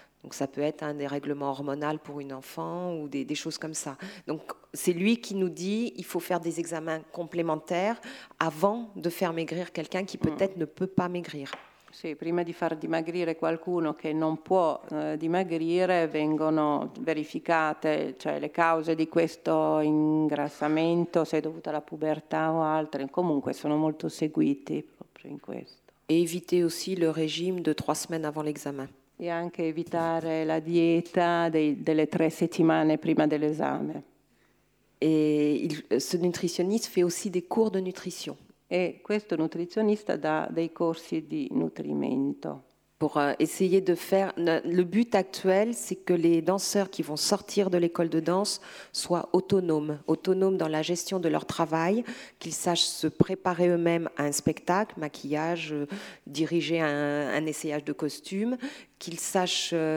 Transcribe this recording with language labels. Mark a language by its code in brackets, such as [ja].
[fr] Donc ça peut être un dérèglement hormonal pour une enfant ou des choses comme ça. Donc c'est lui qui nous dit il faut faire des examens complémentaires avant de faire maigrir quelqu'un qui peut-être ne peut pas maigrir. [it] Sì, prima di far dimagrire qualcuno che non può dimagrire, vengono verificate, cioè le cause di questo ingrassamento, se è dovuto alla pubertà o altro. Comunque sono molto seguiti proprio in questo. [fr] Et éviter aussi le régime de trois semaines avant l'examen. [it] Et anche evitare la dieta delle tre settimane prima dell'esame. [fr] Et ce nutritionniste fait aussi des cours de nutrition. [it] E questo nutrizionista dà dei corsi di nutrimento. [fr] Pour essayer de faire. Le but actuel, c'est que les danseurs qui vont sortir de l'école de danse soient autonomes. Autonomes dans la gestion de leur travail, qu'ils sachent se préparer eux-mêmes à un spectacle, maquillage, diriger un essayage de costume, qu'ils sachent